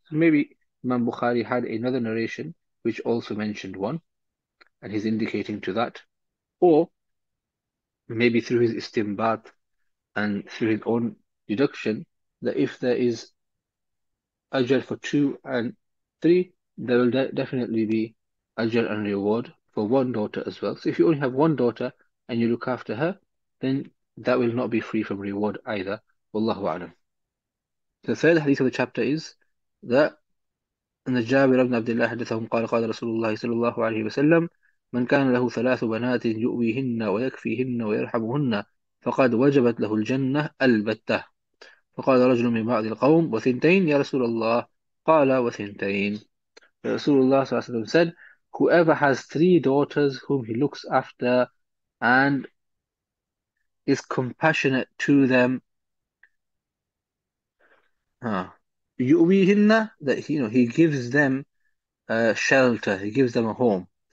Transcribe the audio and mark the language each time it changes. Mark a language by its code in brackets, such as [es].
[en] So maybe Imam Bukhari had another narration which also mentioned one, and he's indicating to that, or maybe through his istinbat and through his own deduction, that if there is ajr for two and three, there will definitely be ajr and reward for one daughter as well. So if you only have one daughter and you look after her, then that will not be free from reward either. Wallahu a'lam. The third hadith of the chapter is that in the [ar] Jabir ibn Abdullah hadithahum qala qala Rasulullah sallallahu alayhi wa sallam, من كان له ثلاث بنات يؤويهن ويكفيهن ويرحمهن فقد وجبت له الجنة البتة. فقال رجل من بعض القوم وثنتين يا رسول الله. قال وثنتين. رسول الله صلى الله عليه وسلم [en] said, Whoever has three daughters whom he looks after and is compassionate to them. Yuwihinna, that he gives them shelter, he gives them a home.